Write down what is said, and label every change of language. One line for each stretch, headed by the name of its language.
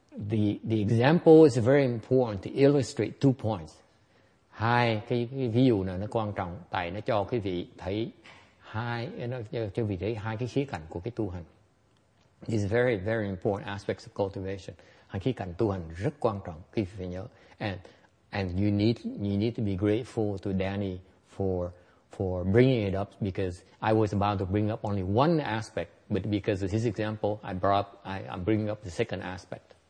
English: The example is very important to illustrate two points.
Vietnamese: Hai cái ví dụ này nó quan trọng tại nó cho quý vị thấy hai cái khía cạnh của cái tu hành.
English: It's very very important aspects of cultivation.
Vietnamese: Hai khía cạnh tu hành rất quan trọng quý vị phải nhớ.
English: And you need to be grateful to Danny for bringing it up, because I was about to bring up only one aspect, but because of his example, I'm bringing up the second aspect.